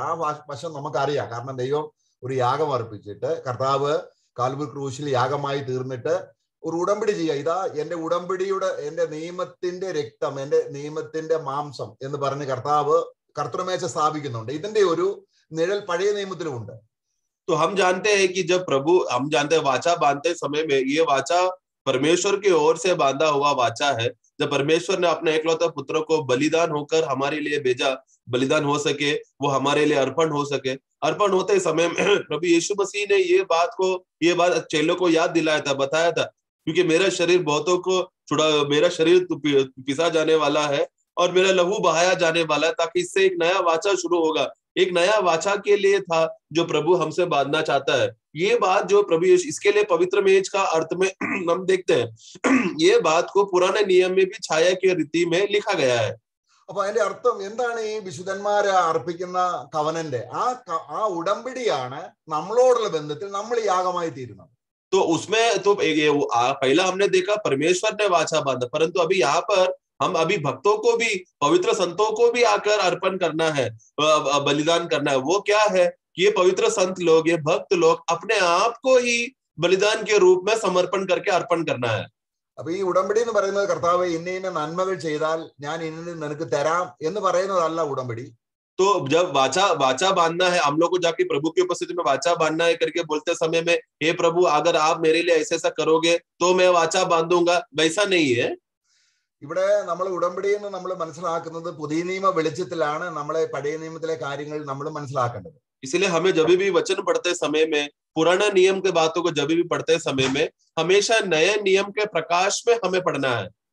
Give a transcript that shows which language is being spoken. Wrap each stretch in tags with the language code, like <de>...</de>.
<ml>ആ വശം നമുക്കറിയാം, കാരണം ദൈവം ഒരു യാഗം അർപ്പിച്ചിട്ട് കർത്താവ് കാൽവരി ക്രൂശിൽ യാഗമായി തീർന്നിട്ട് ഒരു ഉടമ്പടി ചെയ്യുക, ഇതാ എന്റെ ഉടമ്പടിയുടെ, എന്റെ നിയമത്തിന്റെ രക്തം, എന്റെ നിയമത്തിന്റെ മാംസം എന്ന് പറഞ്ഞ് കർത്താവ് കർത്തൃമേശ സ്ഥാപിക്കുന്നുണ്ട്. ഇതിന്റെ ഒരു നിഴൽ പഴയ നിയമത്തിലും ഉണ്ട്.</ml> <hi>तो हम जानते हैं कि जब प्रभु, हम जानते हैं वाचा बांधते समय में ये वाचा परमेश्वर की ओर से बांधा हुआ वाचा है. जब परमेश्वर ने अपने एकलौता पुत्र को बलिदान होकर हमारे लिए भेजा, बलिदान हो सके, वो हमारे लिए अर्पण हो सके, अर्पण होते समय प्रभु यीशु मसीह ने ये बात चेलों को याद दिलाया था, बताया था, क्योंकि मेरा शरीर बहुतों को छुड़ा, मेरा शरीर पिसा जाने वाला है और मेरा लहू बहाया जाने वाला है, ताकि इससे एक नया वाचा शुरू होगा. एक नया वाचा के लिए था जो प्रभु हमसे बांधना चाहता है. ये बात जो प्रभु, इसके लिए पवित्र मेज का अर्थ में हम देखते हैं, ये बात को पुराने नियम में भी छाया की रीति में लिखा गया है.</hi> <ml>അപ്പൊ അതിന്റെ അർത്ഥം എന്താണ്? ഈ വിശുദ്ധന്മാർ അർപ്പിക്കുന്ന കവനന്റെ ആ ഉടമ്പടിയാണ് നമ്മളോടുള്ള ബന്ധത്തിൽ നമ്മൾ യാഗമായി തീരുന്നത്.</ml> <hi>തോ ഉസ്മേ തോ പഹല ഹംനെ ദേഖാ പരമേശ്വരനെ വാചാ ബാന്ധ പരന്തു അഭി യഹാ പർ हम अभी भक्तों को भी, पवित्र संतों को भी आकर अर्पण करना है, बलिदान करना है. वो क्या है? ये पवित्र संत लोग, ये भक्त लोग अपने आप को ही बलिदान के रूप में समर्पण करके अर्पण करना है.</hi> <ml>അപ്പൊ ഈ ഉടമ്പടി എന്ന് പറയുന്നത് കർത്താവ് ഇന്ന ഇന്ന നന്മകൾ ചെയ്താൽ ഞാൻ ഇന്ന നിനക്ക് തരാം എന്ന് പറയുന്നതല്ല ഉടമ്പടി.</ml> <hi>तो जब वाचा बांधना है, हम लोग को जाके प्रभु की उपस्थिति में वाचा बांधना है करके बोलते समय में, हे प्रभु अगर आप मेरे लिए ऐसा ऐसा करोगे तो मैं वाचा बांधूंगा, वैसा नहीं है.</hi> <ml>ഇവിടെ നമ്മൾ ഉടമ്പടിയെന്ന് നമ്മൾ മനസ്സിലാക്കുന്നത് പുതിയ നിയമ വെളിച്ചത്തിലാണ് നമ്മളെ പഴയ നിയമത്തിലെ കാര്യങ്ങൾ നമ്മൾ മനസ്സിലാക്കേണ്ടത്.</ml> <hi>इसलिए हमें जब भी वचन पढ़ते समय में, पुराने नियम के बातों को जब भी पढ़ते समय में, हमेशा नए नियम के प्रकाश में हमें पढ़ना है.</hi>